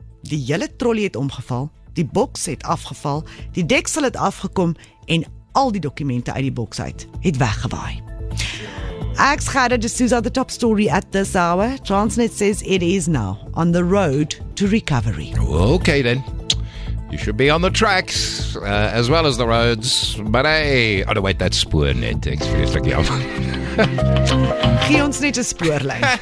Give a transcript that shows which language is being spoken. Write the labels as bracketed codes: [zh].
[af] Die hele trolley het omgeval, die boks het afgeval, die deksel het afgekom en al die dokumente uit die boks uit het weggewaai. Ek skryf dit soos op [en] the top story at this hour. Transnet says it is now on the road to recovery. Okay then. You should be on the tracks as well as the roads. But hey, oh no, wait, that's spoor net. Thanks for like you. [af] Gee ons net 'n spoorlyn.